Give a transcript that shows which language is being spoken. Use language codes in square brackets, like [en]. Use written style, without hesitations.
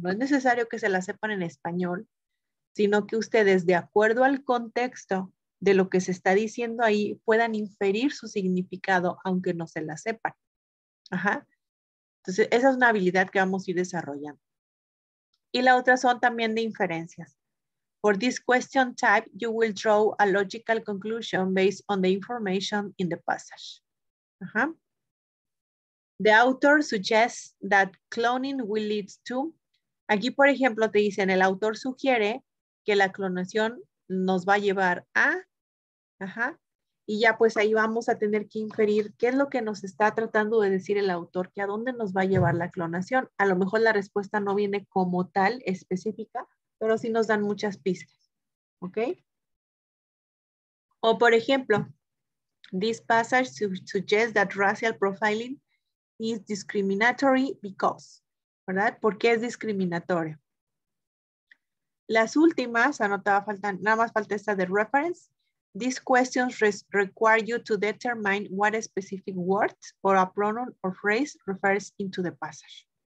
[es] No es necesario que se la sepan en español, sino que ustedes, de acuerdo al contexto de lo que se está diciendo ahí, puedan inferir su significado, aunque no se la sepan. Ajá. Entonces, esa es una habilidad que vamos a ir desarrollando. Y la otra son también de inferencias. [en] For this question type, you will draw a logical conclusion based on the information in the passage. The author suggests that cloning will lead to. [es] Aquí, por ejemplo, te dicen, el autor sugiere que la clonación nos va a llevar a. Y ya pues ahí vamos a tener que inferir qué es lo que nos está tratando de decir el autor, que a dónde nos va a llevar la clonación. A lo mejor la respuesta no viene como tal específica, pero sí nos dan muchas pistas. ¿Ok? O por ejemplo, [en] this passage suggests that racial profiling is discriminatory because, [es] ¿verdad? ¿Por qué es discriminatorio? Las últimas, anotaba, faltan, nada más falta esta de reference. [en] These questions require you to determine what a specific word or a pronoun or phrase refers into the passage.